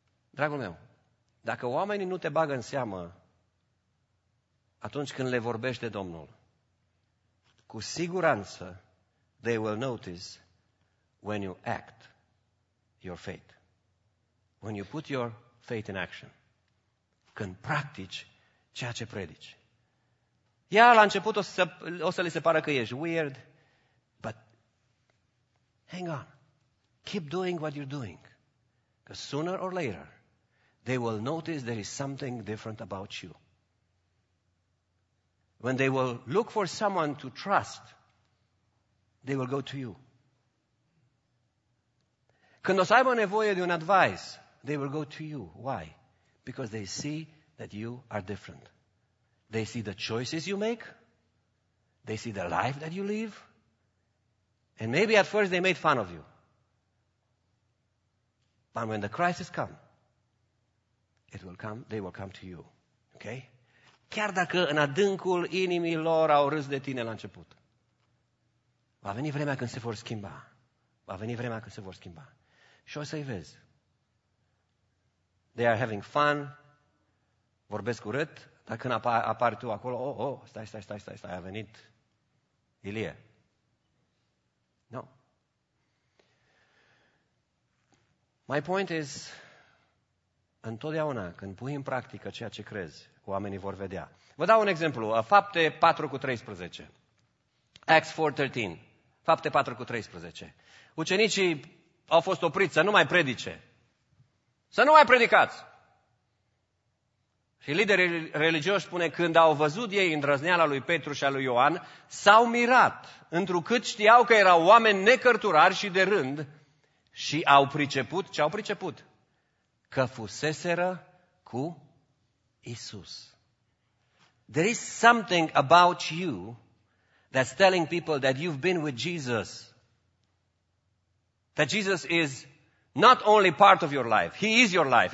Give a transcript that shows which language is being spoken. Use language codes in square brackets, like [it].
[ro] Dragul meu, dacă oamenii nu te bagă în seamă atunci când le vorbește Domnul, cu siguranță [en] they will notice when you act your faith. When you put your faith in action. [ro] Când practici ceea ce predici. Ia, la început o să li se pară că ești weird, [en] but hang on. Keep doing what you're doing. Because sooner or later, they will notice there is something different about you. When they will look for someone to trust, they will go to you. Când o să aibă nevoie de un advice, they will go to you. Why? Because they see that you are different. They see the choices you make. They see the life that you live. And maybe at first they made fun of you. But when the crisis comes, it will come, they will come to you. Okay? [ro] Chiar dacă în adâncul inimii lor au râs de tine la început. Va veni vremea când se vor schimba. Va veni vremea când se vor schimba. Și o să-i vezi. [en] They are having fun. [ro] Vorbesc urât. Dar când apari tu acolo, stai, a venit Ilie. No. [en] My point is, [ro] întotdeauna când pui în practică ceea ce crezi, oamenii vor vedea. Vă dau un exemplu. Fapte 4 cu 13. [en] Acts 4:13. [ro] Fapte 4 cu 13. Ucenicii au fost opriți să nu mai predice. Să nu mai predicați. Și liderii religioși spune, când au văzut ei îndrăzneala lui Petru și a lui Ioan, s-au mirat, întrucât știau că erau oameni necărturari și de rând și au priceput, ce au priceput? Că fuseseră cu Isus. [en] There is something about you that's telling people that you've been with Jesus. That Jesus is not only part of your life, He is your life.